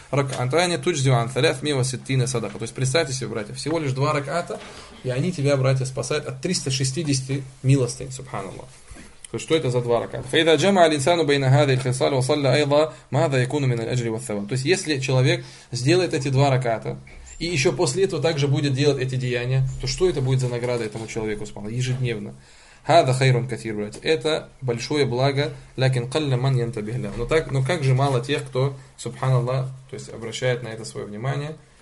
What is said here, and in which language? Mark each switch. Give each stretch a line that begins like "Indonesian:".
Arabic: Ракатани тучдиван талят мива ситтина садака.
Russian: То есть представьте себе, братья, всего лишь два раката, и они тебя, братья, спасают от 360 милостынь, субханаллах. То есть, что это за два раката?
Arabic: فَإِذَا جَمَعَ الْإِنسَانُ بَيْنَ هَذِي الْخِصَالِ وَصَلَّ أَيْضًا مَاذَا يَكُونُ مِنَ الْأَجْرِ وَالثَّوَابِ.
Russian: То есть, если человек сделает эти два раката, и еще после этого также будет делать эти деяния, то что это будет за награда этому человеку, субханаллах, ежедневно?
Arabic: هَذَا خَيْرٌ كَثِيرٌ,
Russian: братья. Это большое благо,
Arabic: لَكِنْ قَلَّ مَنْ يَنْتَبِهْ لَهُ.
Russian: Но так, но как же мало тех, кто, субханаллах, то есть, обращает на это свое внимание.